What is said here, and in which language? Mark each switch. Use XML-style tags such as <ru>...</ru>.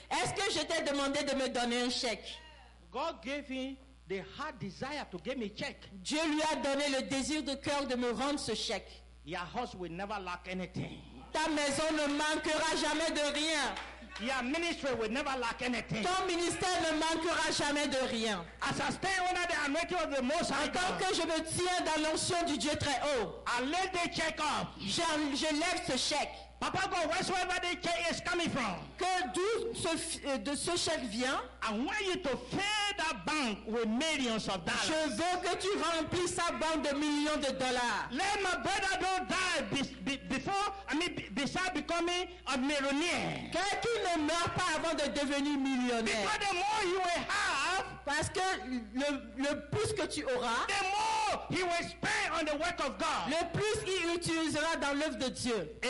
<fr>Est-ce que je t'ai demandé de me donner un chèque?</fr> <en>God gave him the heart desire to give me check.</en> <fr>Dieu lui a donné le désir de cœur de me rendre ce chèque.</fr> <en>Your house will never lack anything.</en> <fr>Ta maison ne manquera jamais de rien.</fr> <en>Your ministry will never lack anything.</en> <fr>Ton ministère ne manquera jamais de rien.</fr> <en>As I stand under the anointing of the Most High.</en> <fr>Tant que je me tiens dans l'onction du Dieu très haut.</fr> <en>I lift the check up.</en> <fr>Je lève ce chèque.</fr> <en>Papa God, wherever the check is coming from.</en> <fr>Que d'où ce chèque vient?</fr> <en>I want you to fill that bank with millions of dollars.</en> <fr>Je veux que tu remplisses sa banque de millions de dollars.</fr> <en>Let my brother don't die beside becoming a millionaire.</en> <fr>Quelqu'un ne meurt pas avant de devenir millionnaire.</fr> <en>Because the more you will have,</en> <fr>parce que le plus que tu auras,</fr> <en>the more he will spend on the work of God.</en> <fr>Le plus il utilisera dans l'œuvre de Dieu.</fr>